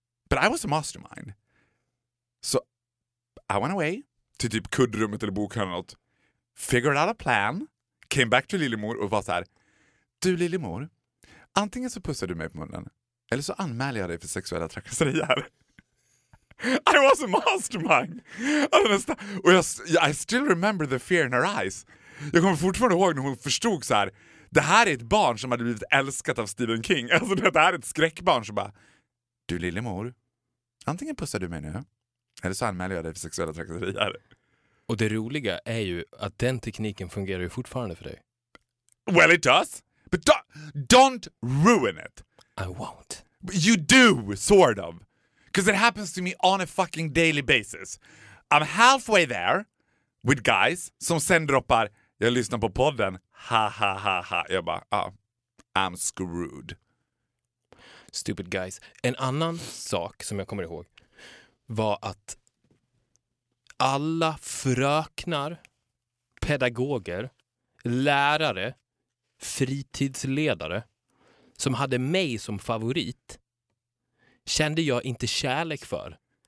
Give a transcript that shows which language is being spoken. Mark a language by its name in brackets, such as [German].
[English] But I was a mastermind. So I went away [Swedish] till typ kuddrummet eller bokhörnan eller något, [English] figured out a plan, came back to [Swedish] Lillemor och var så här, du Lillemor, antingen så pussar du mig på munnen eller så anmäler jag dig för sexuella trakasserier. [English] I was a mastermind. Och I still remember the fear in her eyes. [Swedish] Jag kommer fortfarande ihåg när hon förstod så här. Det här är ett barn som hade blivit älskat av Stephen King. Alltså det här är ett skräckbarn som bara, du lillemor, antingen pussar du mig nu eller så anmäler jag dig för sexuella trakasserier. Och det roliga är ju att den tekniken fungerar ju fortfarande för dig. [English] Well it does. But don't ruin it. I won't. But you do, sort of. Because it happens to me on a fucking daily basis. I'm halfway there with guys [Swedish] som sen droppar, jag lyssnar på podden, ha ha ha ha. Jag bara, [English] I'm screwed. Stupid guys. [Swedish] En annan sak som jag kommer ihåg var att alla fröknar, pedagoger, lärare, fritidsledare som hade mig som favorit kände jag inte kärlek för.